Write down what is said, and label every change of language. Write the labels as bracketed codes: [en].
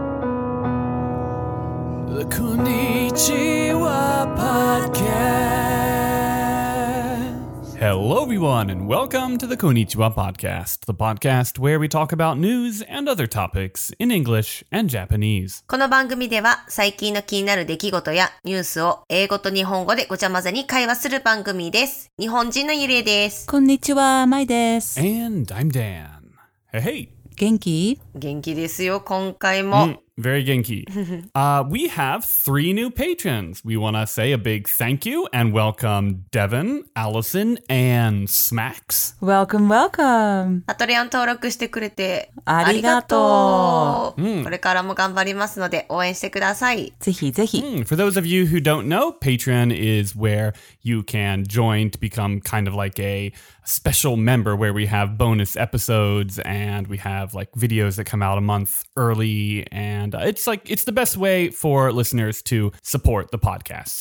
[ja] こんにちは、パッケース。 [en] Hello everyone and welcome to the こんにちは podcast, the podcast where we talk about news and other topics in English and Japanese. [ja] この番組では最近の気になる出来事やニュースを英語と日本語でごちゃ混ぜに会話する番組です。日本人のゆりえです。こんにちは、まいです。 [en] And I'm Dan. Hey, hey. [ja] 元気？元気ですよ、今回も。 [en] Very 元気。We have three new patrons. We want to say a big thank you and welcome Devin, Allison, and Smax. Welcome, welcome. [ja] パトレオン登録してくれてありがとう。これからも頑張りますので応援してください。ぜひぜひ。 [en] For those of you who don't know, Patreon is where you can join to become kind of like a special member where we have bonus episodes and we have like videos that come out a month early andIt's like, it's the best way for listeners to support the podcast.